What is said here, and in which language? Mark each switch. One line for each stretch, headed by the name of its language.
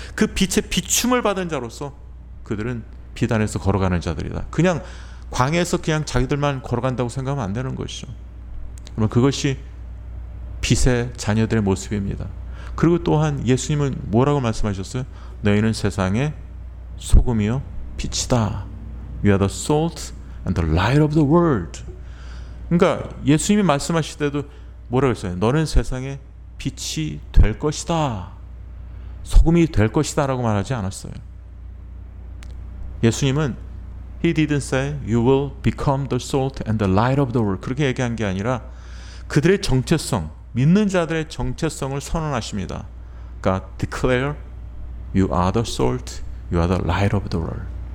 Korean: 그 빛의 비춤을 받은 자로서 그들은 빛 안에서 걸어가는 자들이다. 그냥 광에서 그냥 자기들만 걸어간다고 생각하면 안 되는 것이죠. 그러면 그것이 빛의 자녀들의 모습입니다. 그리고 또한 예수님은 뭐라고 말씀하셨어요? 너희는 세상의 소금이요 빛이다.
English: You are the salt and the light of the world.
Korean: 그러니까 예수님이 말씀하실 때도 뭐라고 했어요? 너는 세상의 빛이 될 것이다. 소금이 될 것이다 라고 말하지 않았어요. 예수님은
English: He didn't say you will become the salt and the light of the world.
Korean: 그렇게 얘기한 게 아니라 그들의 정체성, 믿는 자들의 정체성을 선언하십니다. 그러니까
English: declare you are the salt, you are the light of the world.